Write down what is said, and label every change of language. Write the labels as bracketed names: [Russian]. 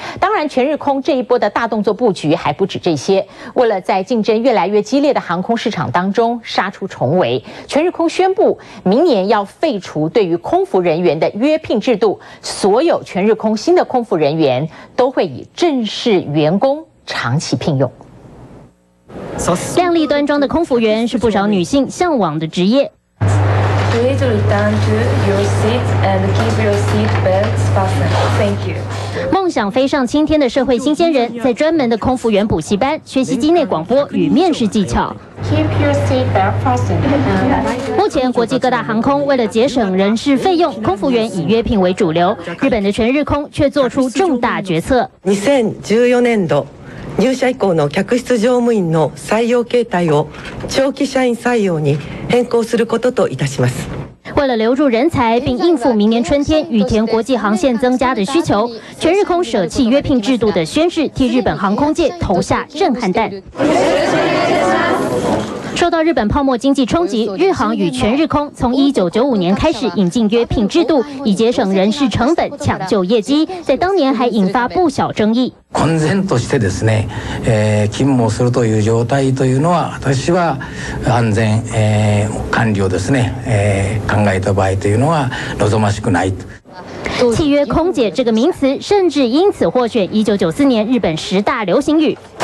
[Chinese] 当然全日空这一波的大动作布局还不止这些，为了在竞争越来越激烈的航空市场当中杀出重围，全日空宣布明年要废除对于空服人员的约聘制度，所有全日空新的空服人员都会以正式员工长期聘用。靓丽端庄的空服员是不少女性向往的职业。 [English] Please return to your seat and keep your seat belts fastened. Thank you. [Chinese] 梦想飞上青天的社会新鲜人，在专门的空服员补习班学习机内广播与面试技巧。目前国际各大航空为了节省人事费用，空服员以约聘为主流，日本的全日空却做出重大决策。 [Japanese] 2014年度入社以降の客室乗務員の採用形態を長期社員採用に変更することといたします。 [Chinese] 为了留住人才并应付明年春天羽田国际航线增加的需求，全日空舍弃约聘制度的宣誓替日本航空界投下震撼弹。受到日本泡沫经济冲击，日航与全日空从1995年开始引进约聘制度，以节省人事成本抢救业绩，在当年还引发不小争议。 [Japanese] 公然としてですね、勤務するという状態というのは、私は安全、管理をですね、考えた場合というのは望ましくない。 [Chinese] 契约空姐这个名词甚至因此获选1994年日本十大流行语。